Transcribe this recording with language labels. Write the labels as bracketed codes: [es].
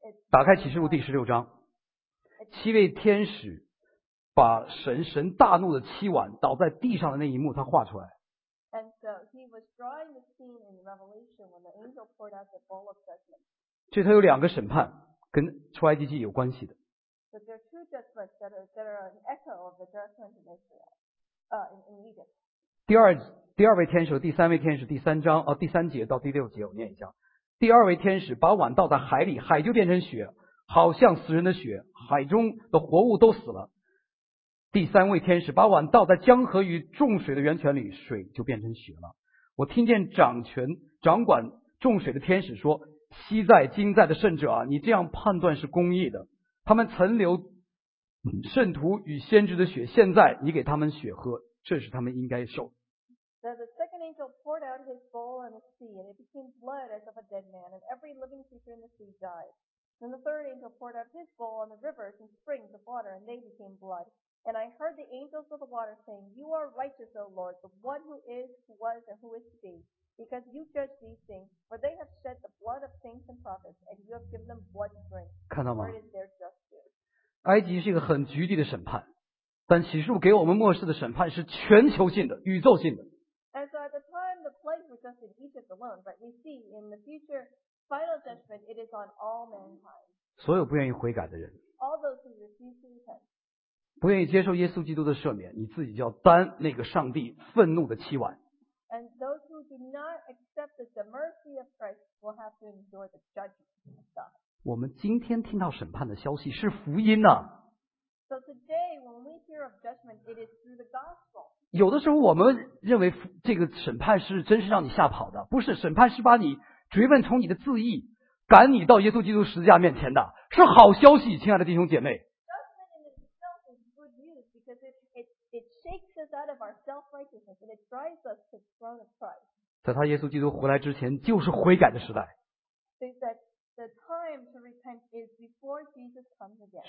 [zh] 打开启示录第十六章，七位天使把神大怒的七碗倒在地上的那一幕，他画出来。 [en] And so he was drawing the scene in Revelation when the angel poured out the bowl of judgment. [zh] 这他有两个审判跟出埃及记有关系的。 [en] But there are two judgments that are an echo of the judgment in Egypt. [zh] 第二位天使，第三位天使，第三节到第六节，我念一下。第二位天使把碗倒在海里，海就变成血，好像死人的血，海中的活物都死了。第三位天使把碗倒在江河与众水的源泉里，水就变成血了。我听见掌管众水的天使说，昔在今在的圣者啊，你这样判断是公义的，他们曾流圣徒与先知的血，现在你给他们血喝，这是他们应该受。 [en] The second angel poured out his bowl on the sea, and it became blood as of a dead man, and every living creature in the sea died. Then the third angel poured out his bowl on the rivers and springs of water, and they became blood. And I heard the angels of the water saying, You are righteous, O Lord, the one who is, who was, and who is to be, because you judge these things, for they have shed the blood of saints and prophets, and you have given them blood to drink. [zh] 看到吗？ [en] Where is their justice? [zh] 埃及是一个很局地的审判，但启示录给我们末世的审判是全球性的，宇宙性的。 [en] And so at the time, the plague was just in Egypt alone, but we see in the future, final judgment, it is on all mankind. [zh] 所有不愿意悔改的人。 [en] All those who refuse to repent. [zh] 不愿意接受耶稣基督的赦免，你自己就要担那个上帝愤怒的七碗。 [en] And those who do not accept the mercy of Christ will have to endure the judgment of God. [zh] 我们今天听到审判的消息是福音呐。 [en] So today, when we hear of judgment, it is through the gospel. [zh] 有的时候我们认为这个审判是真是让你吓跑的，不是，审判是把你追问从你的自义赶你到耶稣基督十字架面前的，是好消息，亲爱的弟兄姐妹。 [en] Judgment in itself is good news because it shakes us out of our self-righteousness and it drives us to the throne of Christ. [zh] 在他耶稣基督回来之前，就是悔改的时代。 [en] The time to repent is before Jesus comes again.